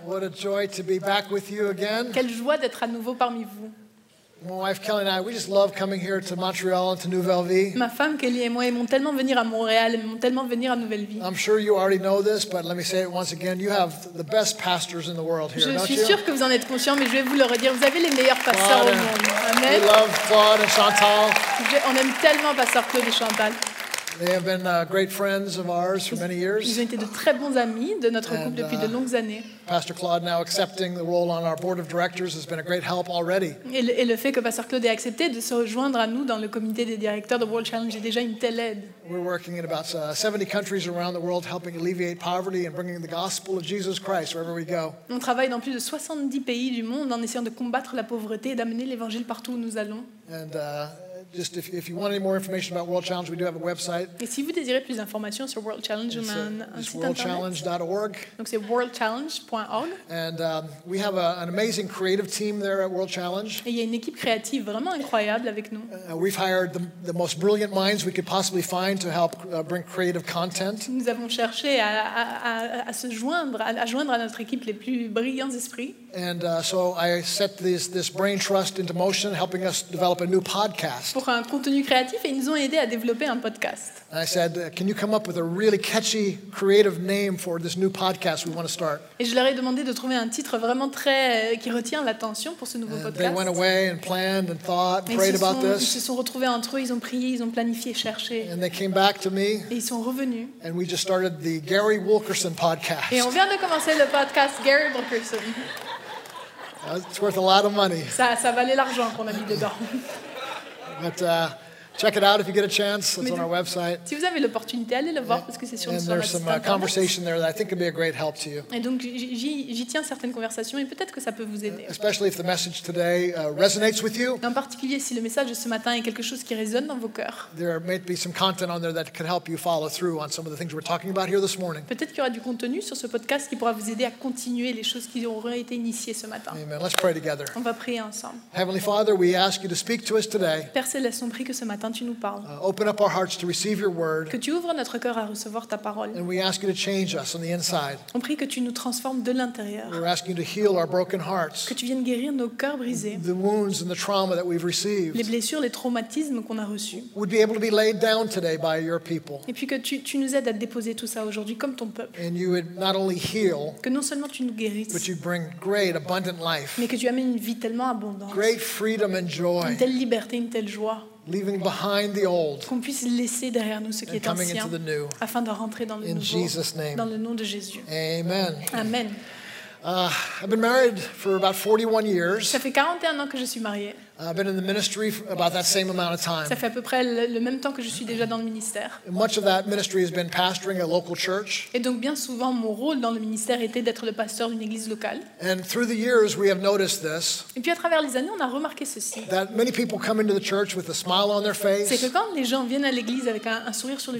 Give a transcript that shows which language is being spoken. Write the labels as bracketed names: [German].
[English] What a joy to be back with you again. [French] Quelle joie d'être à nouveau parmi vous. [English] My wife Kelly and I, we just love coming here to Montreal and to Nouvelle Vie. [French] Ma femme Kelly et moi aimons tellement venir à Montréal, aimons tellement venir à Nouvelle Vie. [English] I'm sure you already know this, but let me say it once again. You have the best pastors in the world here, don't you? [French] Je suis sûr que vous en êtes conscient, mais je vais vous le redire. Vous avez les meilleurs pasteurs au monde. Amen. [English] We love Claude and Chantal. [French] On aime tellement Pasteur Claude et Chantal. [English] They have been great friends of ours for many years. [French] Ils ont été de très bons amis de notre couple depuis de longues années. [English] Pastor Claude now accepting the role on our board of directors has been a great help already. [French] Et le fait que Pasteur Claude ait accepté de se rejoindre à nous dans le comité des directeurs de World Challenge est déjà une telle aide. [English] We're working in about 70 countries around the world helping alleviate poverty and bringing the gospel of Jesus Christ wherever we go. [French] On travaille dans plus de 70 pays du monde en essayant de combattre la pauvreté et d'amener l'évangile partout où nous allons. [English] Just if you want any more information about World Challenge, we do have a website. [French] Et si vous désirez plus d'informations sur World Challenge, on a un site internet. [English] worldchallenge.org. [French] Donc c'est worldchallenge.org. [English] And we have an amazing creative team there at World Challenge. [French] Et il y a une équipe créative vraiment incroyable avec nous. [English] We've hired the most brilliant minds we could possibly find to help bring creative content. [French] Nous avons cherché à joindre à notre équipe les plus brillants esprits. [English] And so I set this brain trust into motion, helping us develop a new podcast. [French] Pour un contenu créatif, et ils nous ont aidé à développer un podcast. [English] And I said, can you come up with a really catchy, creative name for this new podcast we want to start? [French] Et je leur ai demandé de trouver un titre vraiment très qui retient l'attention pour ce nouveau podcast. [English] They went away and planned and thought, and prayed about this. [French] Ils se sont retrouvés entre eux, ils ont prié, ils ont planifié, cherché. [English] And they came back to me. [French] Et ils sont revenus. [English] And we just started the Gary Wilkerson podcast. [French] Et on vient de commencer le podcast Gary Wilkerson. [English] It's worth a lot of money. [French] Ça valait l'argent qu'on a mis dedans. [English] But Check it out if you get a chance. It's on our website. [French] Si vous avez l'opportunité, allez le voir parce que c'est sur notre site internet. [English] There's some conversation there that I think could be a great help to you. [French] Et donc j'y tiens certaines conversations et peut-être que ça peut vous aider. [English] Especially if the message today resonates with you. [French] En particulier si le message de ce matin est quelque chose qui résonne dans vos cœurs. [English] There may be some content on there that could help you follow through on some of the things we're talking about here this morning. [French] Peut-être qu'il y aura du contenu sur ce podcast qui pourra vous aider à continuer les choses qui auraient été initiées ce matin. [English] Amen. Let's pray together. [French] On va prier ensemble. [English] Heavenly Father, we ask you to speak to us today. [French] Père céleste, on prie que ce matin tu nous parles. [English] Open up our hearts to receive your word. [French] Que tu ouvres notre cœur à recevoir ta parole. [English] And we ask you to change us on the inside. [French] On prie que tu nous transformes de l'intérieur. [English] We're asking you to heal our broken hearts. [French] Que tu viennes guérir nos cœurs brisés. [English] The wounds and the trauma that we've received. [French] Les blessures, les traumatismes qu'on a reçus. [English] Would be able to be laid down today by your people. [French] Et puis que tu nous aides à déposer tout ça aujourd'hui comme ton peuple. [English] And you would not only heal. [French] Que non seulement tu nous guérisses. [English] But you bring great abundant life. [French] Mais que tu amènes une vie tellement abondante. [English] Great freedom and joy. [French] Une telle liberté, une telle joie. [English] Leaving behind the old, [French] qu'on puisse laisser derrière nous ce qui est ancien, afin de rentrer dans le [English] in [French] nouveau, [English] Jesus' name. [French] Dans le nom de Jésus. Amen. Amen. [English] I've been married for about 41 years. [French] Ça fait 41 ans que je suis mariée. [English] I've been in the ministry for about that same amount of time. [French] Ça fait à peu près le même temps que je suis déjà dans le ministère. [English] And much of that ministry has been pastoring a local church. [French] Et donc bien souvent mon rôle dans le ministère était d'être le pasteur d'une église locale. [English] And through the years we have noticed this. [French] Et puis à travers les années on a remarqué ceci. [English] That many people come into the church with a smile on their face. [French] C'est que quand les gens viennent à l'église avec un sourire sur le